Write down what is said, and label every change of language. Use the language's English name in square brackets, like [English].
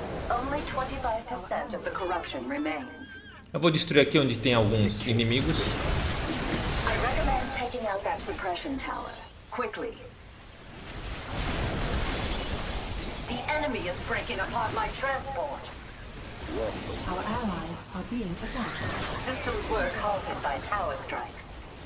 [English] Only 25% of the corruption remains. [Portuguese] Eu vou destruir aqui onde tem alguns inimigos. [English] I recommend taking out that suppression tower quickly. The enemy is breaking apart my transport. Our allies are being attacked. Systems were halted by tower strikes.